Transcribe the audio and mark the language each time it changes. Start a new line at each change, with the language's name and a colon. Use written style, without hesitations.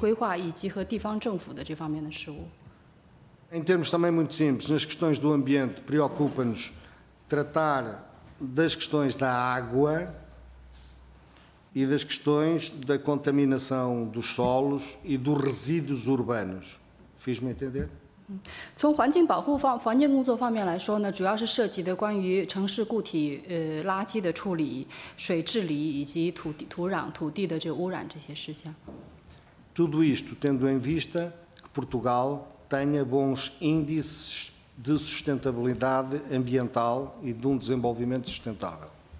Chinese: 那各位安徽省人大代表上午好，今天我们所接待这边的呢是议会的第十一个就是一个议会团，这个团体呢主要是负责国家的关于这个环境土地规划以及和地方政府的这方面的事务。
Portuguese: Em termos também muito simples, nas questões do ambiente, preocupa-nos tratar das questões da água e das questões da contaminação dos solos e dos resíduos urbanos. Fiz-me entender?
Chinese: 从环境保护方环境工作方面来说呢，主要是涉及的关于城市固体垃圾的处理、水治理以及土壤土地的这污染这些事项。
Portuguese: Tudo isto tendo em vista que Portugal tenha bons índices de sustentabilidade ambiental e de desenvolvimento sustentável.